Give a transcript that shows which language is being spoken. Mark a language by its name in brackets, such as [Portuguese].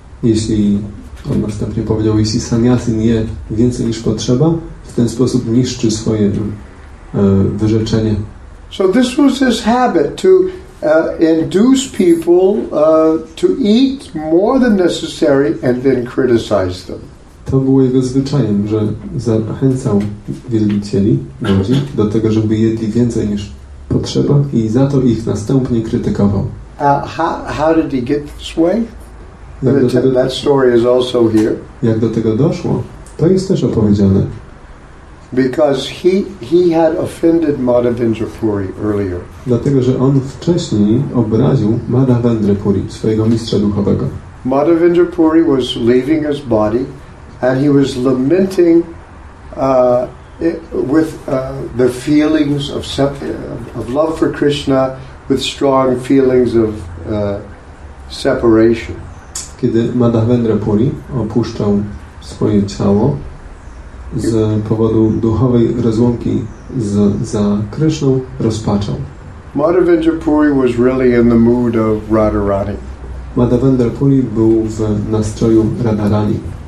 [Polish] Jeśli, on następnie powiedział, jeśli sannyasin je więcej niż potrzeba, w ten sposób niszczy swoje wyrzeczenie. [English] So this was his habit, to induce people to eat more than necessary and then criticize them. [Polish] To było jego zwyczajem, że zachęcał wielbicieli, ludzi, do tego, żeby jedli więcej niż potrzeba i za to ich następnie krytykował. [English] How did he get this way? That story is also here. [Polish] Jak do tego doszło? To jest też opowiedziane. [English] Because he had offended Madhavendra Puri earlier. [Polish] Dlatego, że on wcześniej obraził Madhavendra Puri, swojego mistrza duchowego. [English] Madhavendra Puri was leaving his body and he was lamenting with the feelings of love for Krishna, with strong feelings of separation. [Polish] Kiedy Madhavendra Puri opuszczał swoje ciało z powodu duchowej rozłąki za Krishną, rozpaczał. [English] Madhavendra Puri was really in the mood of Radharani. [Polish] Madhavendra Puri był w nastroju Radharani.